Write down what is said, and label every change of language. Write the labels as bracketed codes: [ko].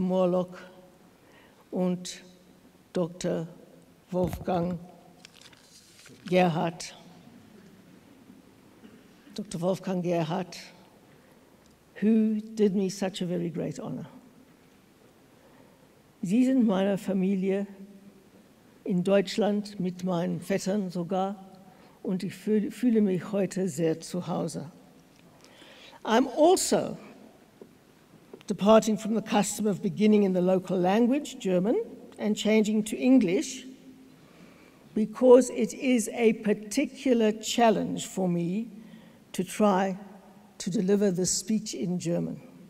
[en] Morlock and Dr. Wolfgang Gerhardt. Dr. Wolfgang Gerhardt, who did me such a very great honor. [de] Sie sind meiner Familie in Deutschland, mit meinen Vettern sogar, und ich fühle mich heute sehr zu Hause. [en] I'm also departing from the custom of beginning in the local language, German, and changing to English, because it is a particular challenge for me to try to deliver this speech in German.